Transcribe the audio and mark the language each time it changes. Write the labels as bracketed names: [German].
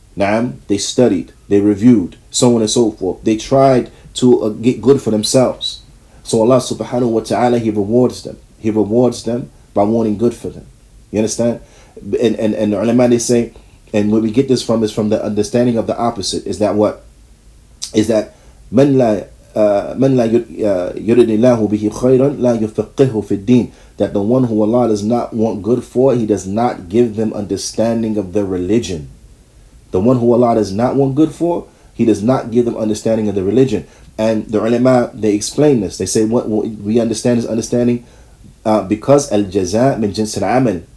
[English] Naam, they studied. They reviewed. So on and so forth. They tried to get good for themselves. So Allah subhanahu wa ta'ala, he rewards them. He rewards them by wanting good for them. You understand? And the ulama, they say, and where we get this from is from the understanding of the opposite, is that what? Is that [Arabic] من لا يريد الله به خيرا لا يفقه في الدين. [English] That the one who Allah does not want good for, he does not give them understanding of the religion. The one who Allah does not want good for, he does not give them understanding of the religion. And the ulama, they explain this. They say what we understand is understanding because [Arabic] al-jaza min jins al-amal.